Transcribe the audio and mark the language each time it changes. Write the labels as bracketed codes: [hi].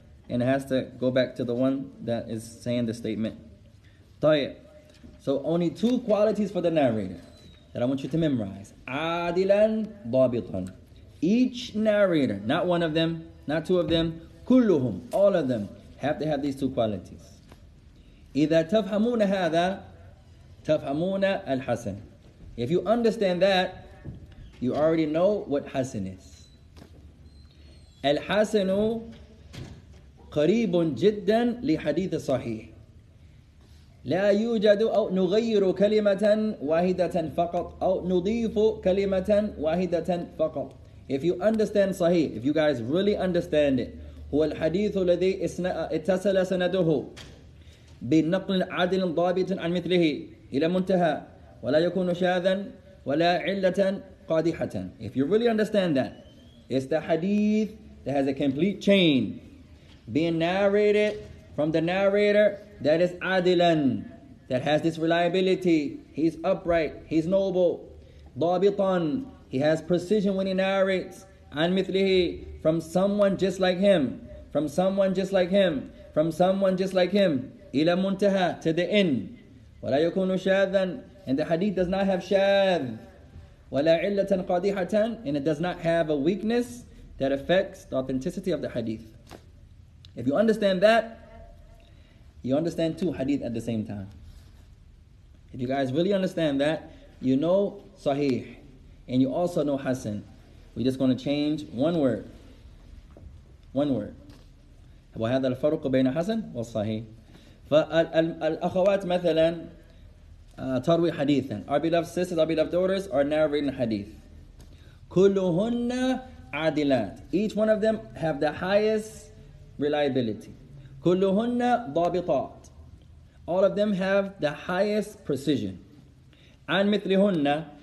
[en] And it has to go back to the one that is saying the statement. [ar] طيب. [en] So only two qualities for the narrator that I want you to memorize. [ar] عادلاً ضابطاً. [en] Each narrator, not one of them, not two of them, كلهم, all of them, have to have these two qualities. [ar] إذا تفهمون هذا تفهمون الحسن. [en] If you understand that, you already know what حسن is. [ar] الحسن قريب جدا لحديث صحيح. لا يوجد أو نغير كلمة واحدة فقط أو نضيف كلمة واحدة فقط. [en] If you understand صحيح, if you guys really understand it, [ar] هو الحديث الذي اتصل سنده بنقل عادل ضابط عن مثله إلى منتهى ولا يكون شاذا ولا علة قادحة. [en] If you really understand that, it's the hadith that has a complete chain being narrated from the narrator that is adilan, that has this reliability, he's upright, he's noble, ضابطان, he has precision when he narrates, [ar] عن مثله, [en] from someone just like him, from someone just like him, from someone just like him, [ar] إلى منتهى, [en] to the end. [ar] ولا يكون شاذا, [en] and the hadith does not have shadh. [ar] ولا علة قادحة, [en] and it does not have a weakness that affects the authenticity of the hadith. If you understand that, you understand two hadith at the same time. If you guys really understand that, you know sahih, and you also know hasan. We're just going to change one word. One word. [ar] وهذا الفرق بين حسن والصحيح. فالأخوات مثلا تروي حديثا. [en] Our beloved sisters, our beloved daughters are narrating hadith. [ar] كلهن عادلات. [en] Each one of them have the highest reliability. [ar] كلهن ضابطات. [en] All of them have the highest precision. [ar] عن مثلهن.